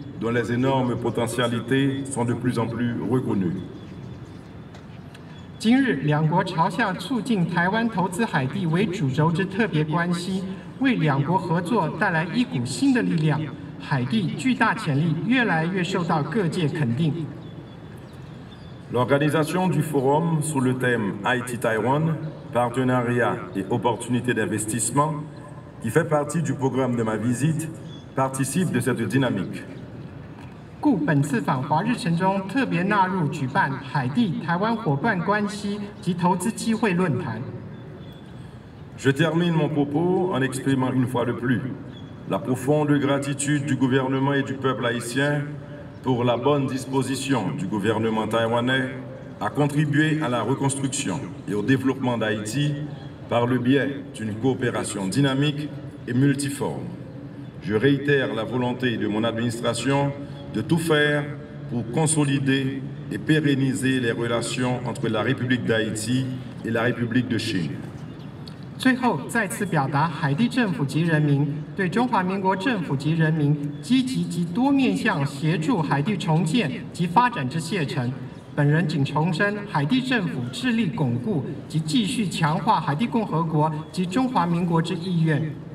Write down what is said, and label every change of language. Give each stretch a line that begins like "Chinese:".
French: Dont les énormes potentialités sont de plus en plus reconnues.
Chinese: 今日，两国朝向促进台湾投资海地为主轴之特别关系，为两国合作带来一股新的力量。海地巨大潜力越来越受到各界肯定。
French: L'organisation du forum sous le thème Haïti-Taïwan, partenariat et opportunités d'investissement, qui fait partie du programme de ma visite, participe de cette dynamique.
Chinese: 故本次访华日程中特别纳入举办海地台湾伙伴关系及投资机会论坛。
French: Je termine mon propos en exprimant une fois de plus la profonde gratitude du gouvernement et du peuple haïtien pour la bonne disposition du gouvernement taïwanais à contribuer à la reconstruction et au développement d'Haïti par le biais d'une coopération dynamique et multiforme. Je réitère la volonté de mon administration de tout faire pour consolider et pérenniser les relations entre la République d'Haïti et la République de Chine.
Chinese: 最后再次表达海地政府及人民对中华民国政府及人民积极及多面向协助海地重建及发展之谢忱。本人谨重申海地政府致力巩固及继续强化海地共和国及中华民国之意愿。